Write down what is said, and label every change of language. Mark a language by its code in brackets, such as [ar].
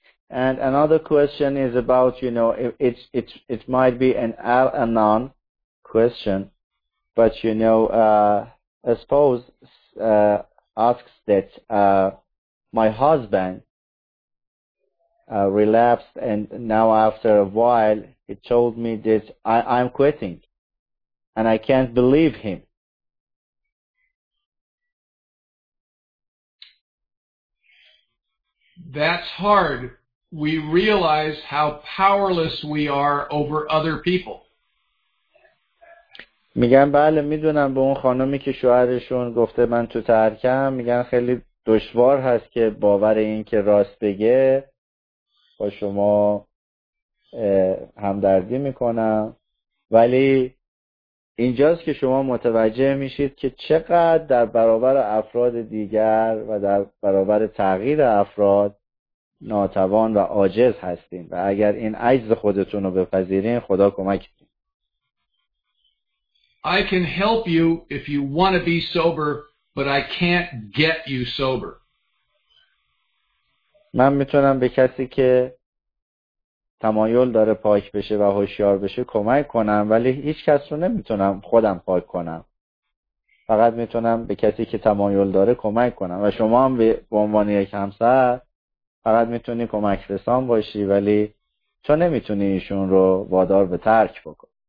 [en] And another question is about, you know, it might be an Al-Anon question, but, you know, I suppose asks that my husband relapsed, and now after a while he told me that I'm quitting and I can't believe him. That's hard. We realize how powerless we are over other people. [fa] میگن بله میدونم. به اون خانمی که شوهرشون گفته من تو ترکم، میگن خیلی دشوار هست که باور این که راست بگه. با شما همدردی میکنم، ولی اینجاست که شما متوجه میشید که چقدر در برابر افراد دیگر و در برابر تغییر افراد ناتوان و عاجز هستین، و اگر این عجز خودتون رو بپذیرین خدا کمکتون. [en] I can help you if you want to be sober, but I can't get you sober. [fa] من میتونم به کسی که تمایل داره پاک بشه و هوشیار بشه کمک کنم، ولی هیچ کس رو نمیتونم خودم پاک کنم. فقط میتونم به کسی که تمایل داره کمک کنم، و شما هم به عنوان یک همسر فقط میتونی کمک رسان باشی، ولی تو نمیتونی ایشون رو وادار به ترک بکن.